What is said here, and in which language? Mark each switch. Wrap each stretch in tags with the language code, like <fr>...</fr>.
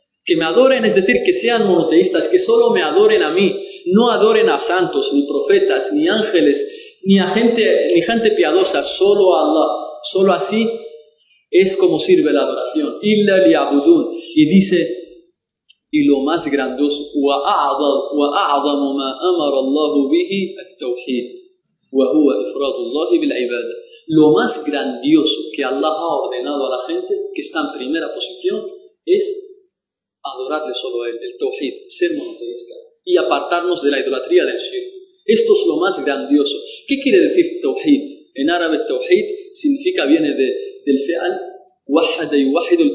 <es>Que me adoren, es decir, que sean monoteístas, que solo me adoren a mí, no adoren a santos, ni profetas, ni ángeles, ni gente piadosa, solo a Allah. Solo así es como sirve la adoración.</es> <ar>Illa liya'budun.</ar> <es>Y dice, y lo más grandioso,</es> <ar>وأعظم ما أمر الله به التوحيد وهو إفراد الله بالعبادة.</ar> <es>Lo más grandioso que Allah ha ordenado a la gente, que está en primera posición, es adorarle solo a Él, el Tawhid, ser monoteísta, y apartarnos de la idolatría del shirk. Esto es lo más grandioso. ¿Qué quiere decir Tawhid? En árabe, Tawhid significa, viene del fe'al, wahada yuwahidu.</es>